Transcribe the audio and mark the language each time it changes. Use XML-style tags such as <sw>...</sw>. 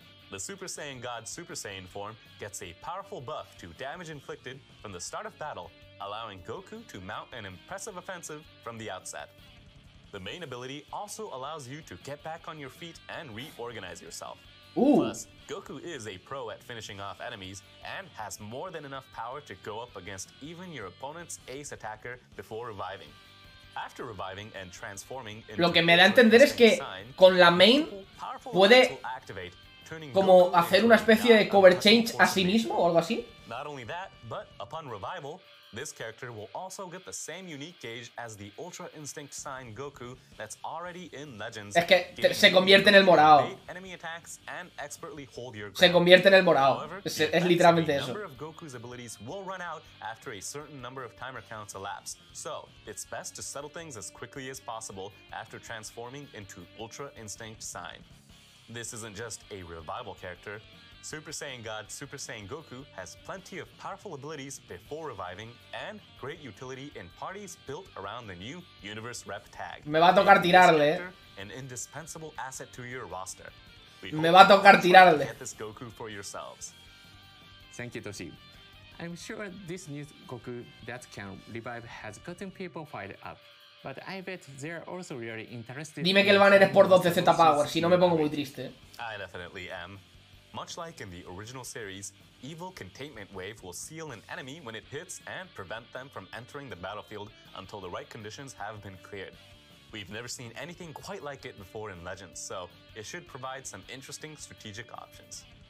<en>The Super Saiyan God Super Saiyan form gets a powerful buff to damage inflicted from the start of battle, allowing Goku to mount an impressive offensive from the outset. The main ability also allows you to get back on your feet and reorganize yourself. Ooh. Plus, Goku is a pro at finishing off enemies and has more than enough power to go up against even your opponent's ace attacker before reviving. After reviving and transforming</en> <es>into... Lo que me da a entender es que con la main puede como hacer una especie de cover change a sí mismo o algo así.</es> <en>Not only that, but upon revival, this character will also get the same unique gauge as the Ultra Instinct Sign Goku that's already in Legends.</en> <es>Es que se convierte en el morado.</es> <en>Enemy attacks and expertly hold your ground.</en> <es>Se convierte en el morado. Es literalmente eso.</es> <en>Number of Goku's abilities will run out after a certain number of timer counts elapse. So, it's best to settle things as quickly as possible after transforming into Ultra Instinct Sign. This isn't just a revival character. Super Saiyan God Super Saiyan Goku has plenty of powerful abilities before reviving and great utility in parties built around the new Universe Rep tag.</en> <es>Me va a tocar tirarle.</es> <en>An indispensable asset to your roster.</en> <es>Me va a tocar tirarle.</es> <en>Get this Goku for yourselves. Thank you, Toshi. I'm sure this new Goku that can revive has gotten people fired up. But I bet they're also really interested.</en> <es>Dime que el banner es por 12 Zeta Power, si no me pongo muy triste.</es> <en>I definitely am. Much like in the original series, Evil Containment Wave will seal an enemy when it hits and prevent them from entering the battlefield until the right conditions have been cleared. We've never seen anything quite like it before in Legends, so it should provide some interesting strategic options.</en>